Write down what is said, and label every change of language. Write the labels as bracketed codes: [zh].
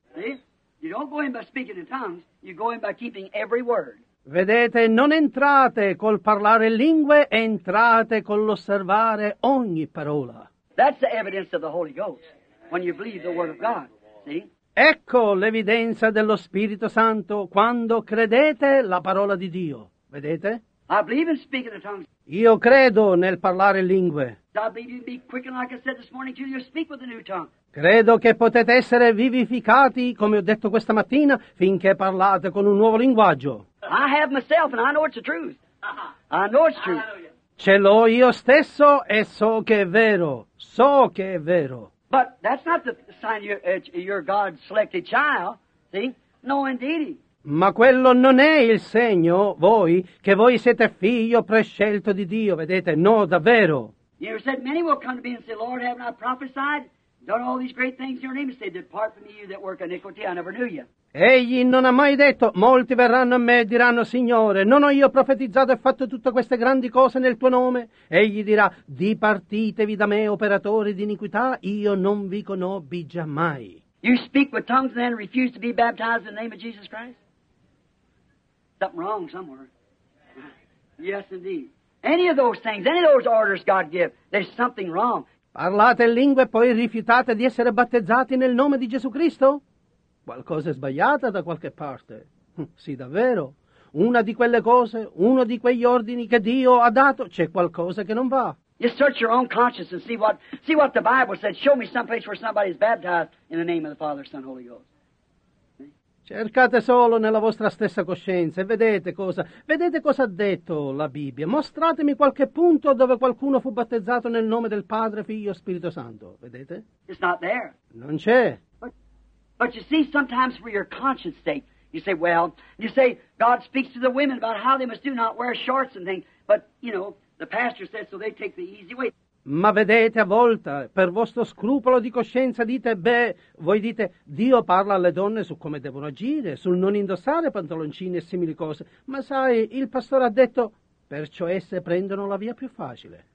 [en] See? You don't go in by speaking in tongues, you go in by keeping every word. [it] Vedete, non entrate col parlare lingue, entrate con l'osservare ogni parola. [en] That's the evidence of the Holy Ghost, when you believe the word of God, see? [it] Ecco l'evidenza dello Spirito Santo quando credete la parola di Dio, vedete? [en] I believe in speaking in tongues. [it] Io credo nel parlare lingue. [en] I believe you'd be quickened, like I said this morning, till you speak with a new tongue. [it] Credo che potete essere vivificati, come ho detto questa mattina, finché parlate con un nuovo linguaggio. [en] I have myself and I know it's the truth. I know it's true. [it] Ce l'ho io stesso e so che è vero. So che è vero. [en] But that's not the sign you're God's selected child. See? No, indeed. [it] Ma quello non è il segno, voi, che voi siete figlio prescelto di Dio, vedete? No, davvero. [en] You said many will come to me and say, Lord, have not prophesied? Done all these great things in your name, and say, depart from me, you that work iniquity, I never knew you. [it] Egli non ha mai detto, molti verranno a me e diranno, Signore, non ho io profetizzato e fatto tutte queste grandi cose nel tuo nome? Egli dirà, dipartitevi da me, operatori di iniquità, io non vi conobbi già mai. [en] You speak with tongues and then refuse to be baptized in the name of Jesus Christ? Something wrong somewhere. Yes, indeed. Any of those things, any of those orders God give, there's something wrong. [it] Parlate in lingue e poi rifiutate di essere battezzati nel nome di Gesù Cristo? Qualcosa è sbagliata da qualche parte. Sì, davvero. Una di quelle cose, uno di quegli ordini che Dio ha dato, c'è qualcosa che non va. [en] You search your own conscience and see what the Bible said. Show me some place where somebody is baptized in the name of the Father, Son, Holy Ghost. [it] Cercate solo nella vostra stessa coscienza e vedete cosa ha detto la Bibbia. Mostratemi qualche punto dove qualcuno fu battezzato nel nome del Padre, Figlio e Spirito Santo. Vedete? [en] It's not there. [it] Non c'è. [en] But you see, sometimes for your conscience sake, you say, God speaks to the women about how they must do not wear shorts and things, but, you know, the pastor says so they take the easy way. [it] Ma vedete, a volte, per vostro scrupolo di coscienza, voi dite, Dio parla alle donne su come devono agire, sul non indossare pantaloncini e simili cose. Ma sai, il pastore ha detto, perciò esse prendono la via più facile.